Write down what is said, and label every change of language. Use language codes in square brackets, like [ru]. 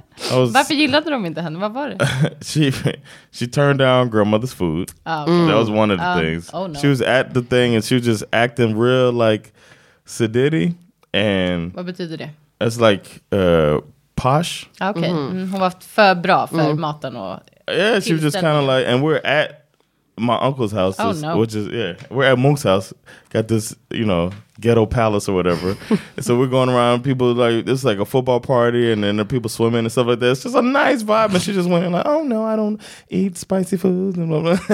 [sv] Varför gillade de inte henne? Vad var det? [en] She turned down grandmother's food. That was one of the things. She was at the thing and she was just acting real like sediddy. And [sv] vad betyder det? [en] It's like posh. Okay. [sv] Hon var för bra för maten och [en] she was just kind of like, and we're at my uncle's house, which is we're at Monk's house, got this, you know, ghetto palace or whatever. So we're going around, people like, it's like a football party, and then there are people swimming and stuff like that. It's just a nice vibe, and she just went like, "Oh no, I don't eat spicy food," and blah, blah.